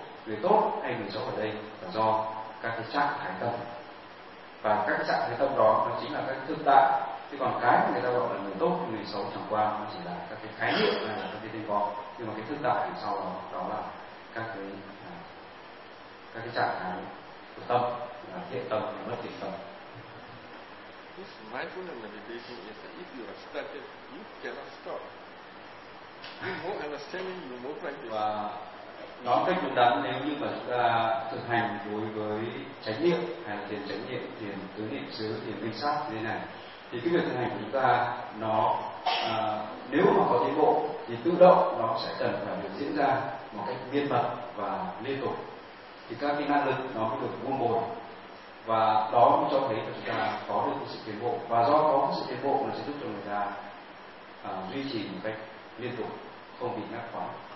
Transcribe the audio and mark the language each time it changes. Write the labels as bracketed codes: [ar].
[vi] Người tốt hay người xấu ở đây là do các cái trạng thái tâm, và các trạng thái tâm đó nó chính là các thực tại. Thế còn cái người ta gọi là người tốt, người xấu chẳng qua nó chỉ là các cái khái niệm hay là các cái tên gọi, nhưng mà cái thực tại đằng sau đó là các cái trạng thái của tâm, là thiện tâm và bất thiện tâm. [en] This mindfulness meditation is that if you are started, you cannot stop. The more understanding, the more practice. [vi] Và nói cách đúng đắn, nếu như mà chúng ta thực hành đối với chánh niệm hay là thiền chánh niệm, thiền tứ niệm xứ, thiền minh sát như thế này, thì cái việc thực hành của chúng ta nó nếu mà có tiến bộ thì tự động nó sẽ cần phải được diễn ra một cách miên mật và liên tục, thì các cái năng lực nó mới được buông bồi, và đó cũng cho thấy là chúng ta có được cái sự tiến bộ, và do có cái sự tiến bộ nó sẽ giúp cho người ta duy trì một cách liên tục, không bị ngắt quãng.